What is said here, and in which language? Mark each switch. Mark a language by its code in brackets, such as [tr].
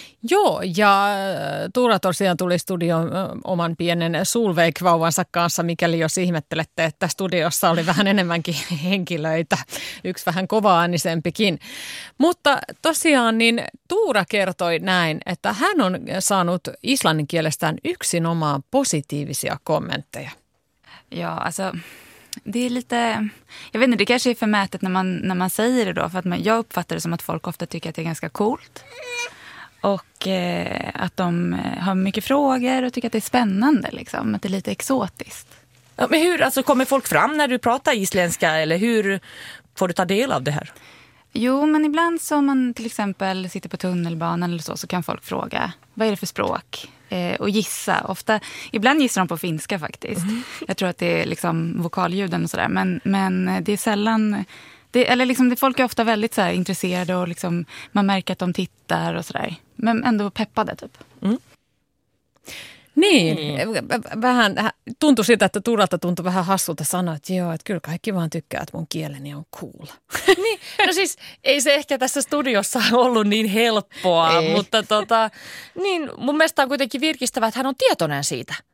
[fi] Joo, ja Tuura tosiaan tuli studion oman pienen Solveig-vauvansa kanssa, mikäli jos ihmettelette, että studiossa oli vähän enemmänkin henkilöitä, yksi vähän kovaäänisempikin. Mutta tosiaan niin Tuura kertoi näin, että hän on saanut islannin kielestään yksinomaan positiivisia kommentteja. [sv] Joo, alltså det är lite, jag vet inte, det kanske är förmätet när man säger det då, för att jag uppfattar det som att folk ofta tycker att det är ganska coolt. Och att de har mycket frågor och tycker att det är spännande liksom, att det är lite exotiskt. Ja, men hur, alltså kommer folk fram när du pratar isländska, eller hur får du ta del av det här? Jo, men ibland så om man till exempel sitter på tunnelbanan eller så kan folk fråga, vad är det för språk? Och gissa. Ofta, ibland gissar de på finska faktiskt. Mm. Jag tror att det är liksom vokalljuden och sådär, men det är sällan. Folk är ofta väldigt så här intresserade och liksom, man märker att de tittar och sådär. Men ändå peppade typ. [fi] Niin, vähän tuntui siltä, että Turalta tuntui vähän hassulta sanoa, että joo, että kyllä kaikki vaan tykkää, että mun kieleni on cool. Niin, no siis ei se ehkä tässä studiossa ollut niin helppoa, ei. Mutta niin mun mielestä on kuitenkin virkistävä, että hän on tietoinen siitä.